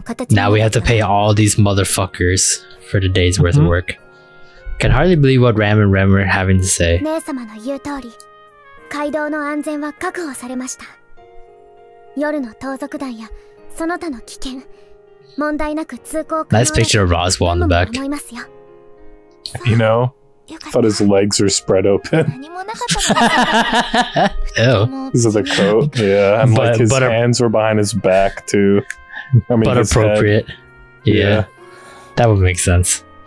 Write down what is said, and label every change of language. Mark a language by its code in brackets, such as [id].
[en] Now we have to pay all these motherfuckers for the day's worth of work. Can hardly believe what Ram and Rem are having to say. [ja] 姉様の言う通り、街道の安全は確保されました。夜の盗賊団やその他の危険、問題なく通行可能。 [en] Nice picture of Roswell on the back. You know, I thought his legs were spread open. Ew. This is a coat, yeah. And but, like his but hands were behind his back too. I mean, but appropriate. Yeah. That would make sense.